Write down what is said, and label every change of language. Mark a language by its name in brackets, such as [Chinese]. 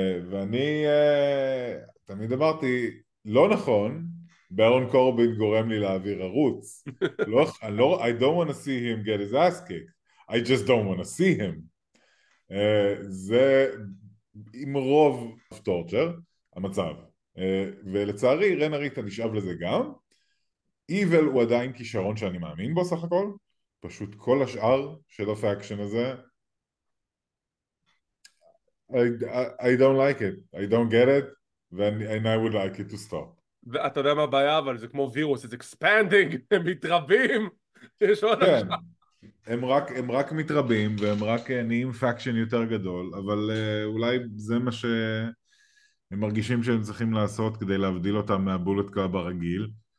[Hebrew] ואני תמיד אמרתי, לא נכון, ברון קורבין גורם לי להעביר ערוץ. [English] I don't want to see him get his ass kicked. I just don't want to see him. [Hebrew] זה עם רוב [English] of torture, [Hebrew] המצב. ולצערי, רן אריטה נשאב לזה גם. Evil הוא עדיין כישרון שאני מאמין בו סך הכל. פשוט כל השאר של הפאקשן הזה, [English] I don't like it. I don't get it. And I would like it to stop. [Hebrew] ואתה יודע מה הבעיה, אבל זה כמו וירוס, [English] it's expanding, [Hebrew] הם מתרבים, יש עוד כן. עכשיו. הם רק מתרבים, והם רק נהיים פאקשן יותר גדול, אבל אולי זה מה שהם מרגישים שהם צריכים לעשות כדי להבדיל אותם מהבולט קלאב הרגיל.